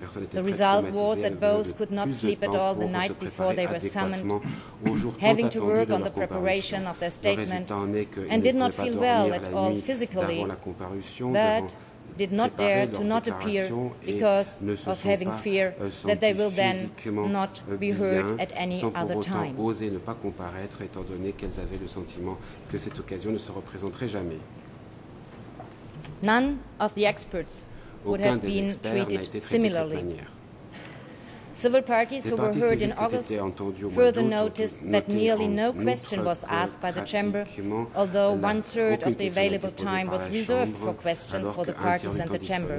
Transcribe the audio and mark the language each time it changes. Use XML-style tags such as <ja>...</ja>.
<en>The result was that both could not sleep at all the night before they were summoned, having to work on the preparation of their statement, and did not feel well at all physically, but did not dare to not appear because of having fear that they will then not be heard at any other time.</en> <fr>Oser ne pas comparaître étant donné qu'elles avaient le sentiment que cette occasion ne se représenterait jamais.</fr> <en>None of the experts would have been treated similarly. Civil parties who were heard in August further noticed that nearly no question was asked by the chamber, although one-third of the available time was reserved for questions for the parties and the chamber.</en>